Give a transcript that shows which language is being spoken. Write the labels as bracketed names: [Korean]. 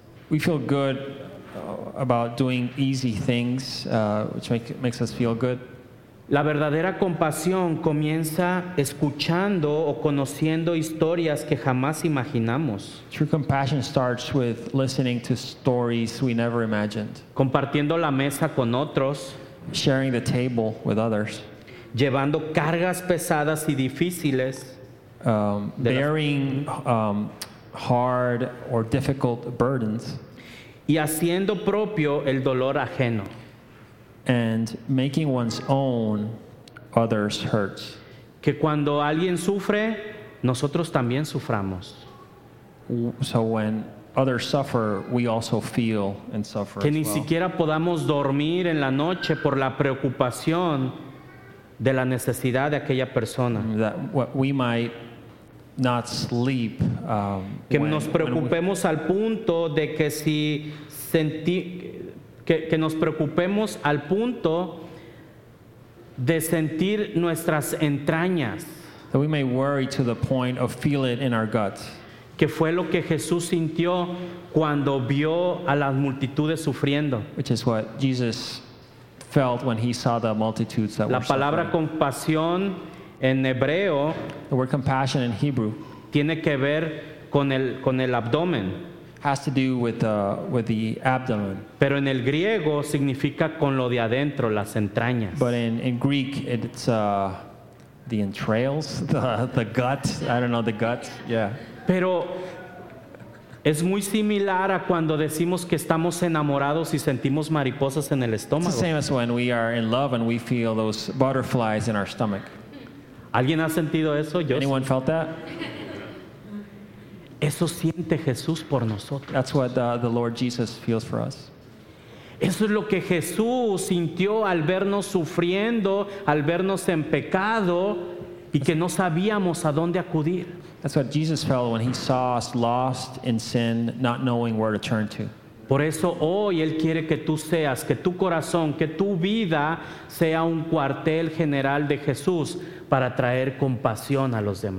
[English] We feel good about doing easy things, which makes us feel good. [Spanish] La verdadera compasión comienza escuchando o conociendo historias que jamás imaginamos. [English] True compassion starts with listening to stories we never imagined. [Spanish] Compartiendo la mesa con otros. [English] Sharing the table with others. [Spanish] Llevando cargas pesadas y difíciles. [English] Bearing hard or difficult burdens. [Spanish] Y haciendo propio el dolor ajeno. [English] And making one's own others hurts. [Spanish] Que cuando alguien sufre, nosotros también suframos. [English] So when others suffer, we also feel and suffer. [Spanish] Que [English] as [Spanish] ni [English] well. [Spanish] Siquiera podamos dormir en la noche por la preocupación de la necesidad de aquella persona. [English] That we might not sleep. [Spanish] Que nos preocupemos al punto de que si que nos preocupemos al punto de sentir nuestras entrañas. [English] That we may worry to the point of feel it in our guts. [Spanish] Que fue lo que Jesús sintió cuando vio a las multitudes sufriendo. [English] Which is what Jesus felt when he saw the multitudes that were suffering. [Spanish] La palabra compasión en hebreo. [English] The word compassion in Hebrew. [Spanish] Tiene que ver con el abdomen. [English] Has to do with the abdomen. [Spanish] Pero en el griego significa con lo de adentro, las entrañas. [English] But in Greek it's the entrails, the guts. I don't know, the guts. Yeah. [Spanish] Pero es muy similar a cuando decimos que estamos enamorados y sentimos mariposas en el estómago. [English] It's the same as when we are in love and we feel those butterflies in our stomach. [Spanish] ¿Alguien ha sentido eso? Yo. [English] Anyone felt that? [Spanish] Eso siente Jesús por nosotros. [English] That's what the Lord Jesus feels for us. [Spanish] Eso es lo que Jesús sintió al vernos sufriendo, al vernos en pecado, y que no sabíamos a dónde acudir. [English] That's what Jesus felt when he saw us lost in sin, not knowing where to turn to. [Spanish] Por eso hoy Él quiere que tú seas, que tu corazón, que tu vida sea un cuartel general de Jesús para traer compasión a los demás.